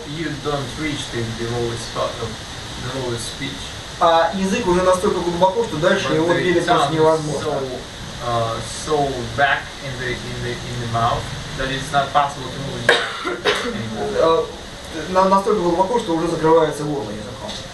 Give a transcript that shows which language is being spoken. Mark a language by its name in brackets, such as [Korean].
[English] You don't reach the lowest spot of the lowest pitch. [Russian] А язык уже настолько глубоко, что дальше [English] but [Russian] его двигать просто невозможно. [English] So back in the mouth that it's not possible to move anymore. [Russian] Настолько глубоко, что уже закрывается горло языком.